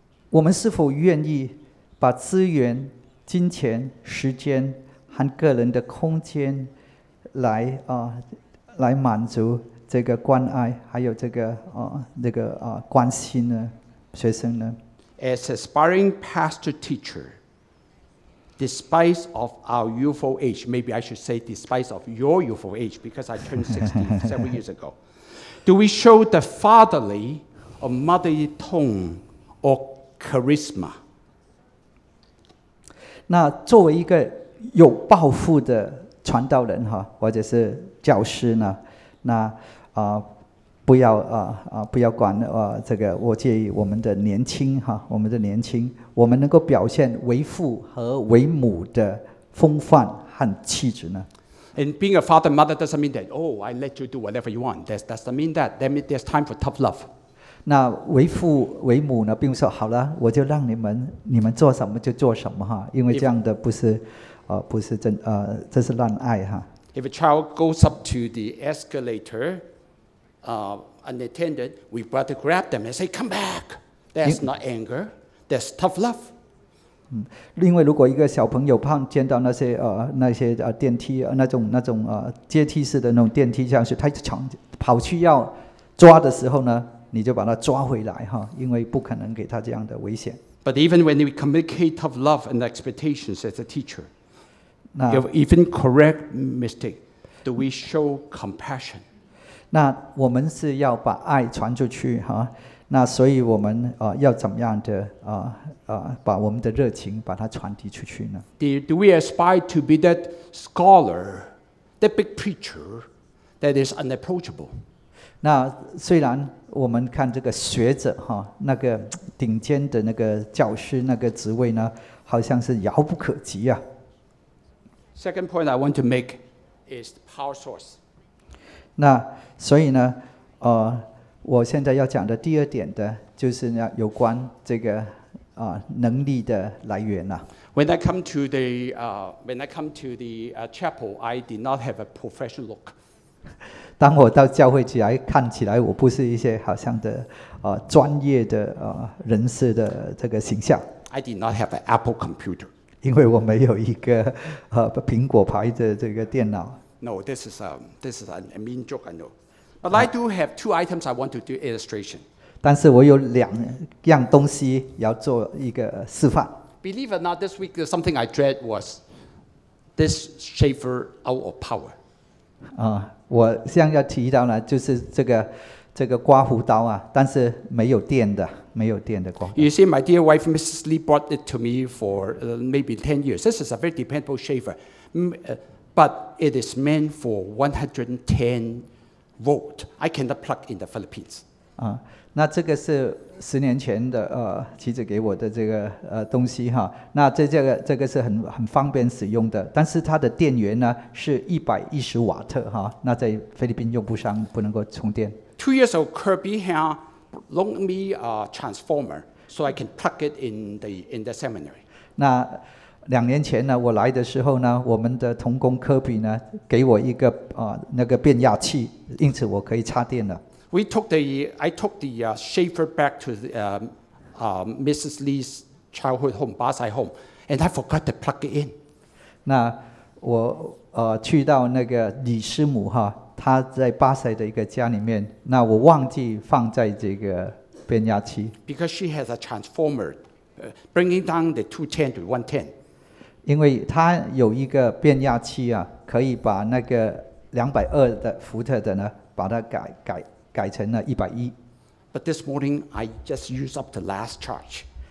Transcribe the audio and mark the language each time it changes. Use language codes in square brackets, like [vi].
[zh] 我们是否愿意把资源、金钱、时间和个人的空间来满足这个关爱，还有这个关心呢？学生呢 [en] ？As aspiring pastor teacher, despite of our youthful age, maybe I should say despite of your youthful age, because I turned 60 several years ago. Do we show the fatherly or motherly tone or charisma? [zh] 那作为一个有抱负的传道人哈，或者是教师呢，那不要管这个，我介意我们的年轻哈，我们的年轻，我们能够表现为父和为母的风范和气质呢 [en] ？And being a father, mother doesn't mean that. Oh, I let you do whatever you want. That doesn't mean that. That means there's time for tough love. [zh] 那为父为母呢，并不是说好了，我就让你们做什么就做什么哈，因为这样的不是真这是滥爱哈。 [en] If a child goes up to the escalator. Unattended, we better grab them and say, "Come back." That's not anger. That's tough love. [zh] 另外，如果一个小朋友碰见到那些电梯那种阶梯式的那种电梯下去，他抢跑去要抓的时候呢，你就把他抓回来哈，因为不可能给他这样的危险。 [en] But even when we communicate tough love and expectations as a teacher, if even correct mistake, do we show compassion? [zh] 那我们是要把爱传出去哈，那所以我们要怎么样的把我们的热情把它传递出去呢 [en] ？Do we aspire to be that scholar, that big preacher that is unapproachable？ [zh] 那虽然我们看这个学者哈，那个顶尖的那个教师那个职位呢，好像是遥不可及啊。 [en] Second point I want to make is power source. [zh] 那所以呢，我现在要讲的第二点的就是呢有关这个能力的来源啊。 [en] When I come to the chapel, I did not have a professional look. [zh] 当我到教会起来，看起来我不是一些好像的专业的人士的这个形象。 [en] I did not have an Apple computer. [zh] 因为我没有一个苹果牌的这个电脑。 [en] No, this is a mean joke, I know. But I do have two items I want to do illustration. [zh] 但是我有两样东西要做一个示范。 [en] Believe it or not, this week something I dread was this shaver out of power. [zh] 我现在要提到呢，就是这个刮胡刀啊，但是没有电的，没有电的刮胡刀。 [en] You see, my dear wife, Mrs. Lee, brought it to me for maybe 10 years. This is a very dependable shaver, but it is meant for 110 volt. I cannot plug in the Philippines. [zh] 那这个是十年前的妻子给我的这个东西哈，那这个是很方便使用的，但是它的电源呢是110瓦特哈，那在菲律宾用不上，不能够充电。 [en] Two years ago, Kirby here loaned me a transformer so I can plug it in the seminary. [zh] 那两年前呢，我来的时候呢，我们的同工科比呢给我一个那个变压器，因此我可以插电了。 [en] I took the shaver back to Mrs. Lee's childhood home, Basai home, and I forgot to plug it in. [zh] 那我去到那个李师母哈，他在巴塞的一个家里面，那我忘记放在这个变压器。 [en] Because she has a transformer, bringing down the 210 to 110. [zh] 因为他有一个变压器啊，可以把那个220的伏特的呢，把它改成了110。 [en] But this morning I just used up the last charge.